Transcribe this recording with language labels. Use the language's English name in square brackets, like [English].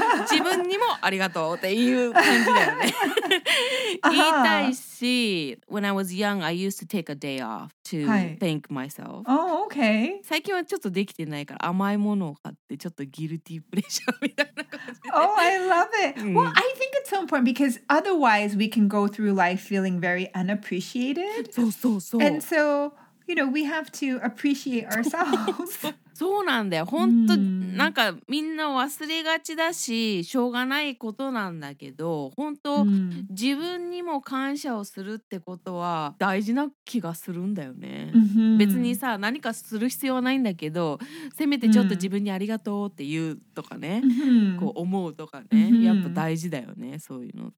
[Japanese] 自分にもありがとうっていう感じだよね。言いたいし、 [English] When I was young, I used to take a day off to thank myself. Oh, okay. [Japanese] 最近はちょっとできてないから、甘いものを買ってちょっとギルティープレッシャーみたいな感じで。 [English] Oh, I love it. Well, I think it's so important because otherwise we can go through life feeling very unappreciated. [Japanese] そうそうそう。 [English] And so, you know, we have to appreciate ourselves. [Japanese] そうなんだよ。本当、なんかみんな忘れがちだし、しょうがないことなんだけど、本当、自分にも感謝をするってことは大事な気がするんだよね。別にさ、何かする必要はないんだけど、せめてちょっと自分にありがとうって言うとかね、こう思うとかね、やっぱ大事だよね、そういうのって。